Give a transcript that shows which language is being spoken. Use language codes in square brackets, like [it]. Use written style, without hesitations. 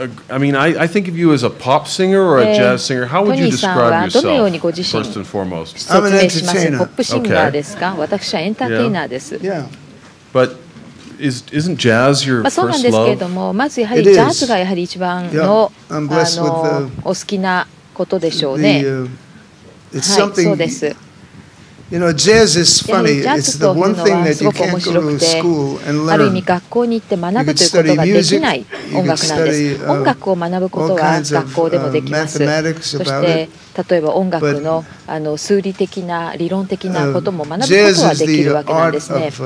[en] I think of you as a pop singer or a jazz singer. How would you describe yourself, first and foremost? I'm an entertainer. [ja] Pop singer ですか？私はエンターテイナーです。 [en] Yeah. But isn't jazz your first love? [ja] そうなんですけれども、まずやはりジャズがやはり一番の、お好きなことでしょうね。はい、そうです。 [en] You know, jazz is funny. It's the one thing that you can't go to school and learn. [ja] ある意味学校に行って学ぶということができない音楽なんです。音楽を学ぶことは学校でもできます。そして例えば音楽の数理的な理論的なことも学ぶことはできるわけなんですね。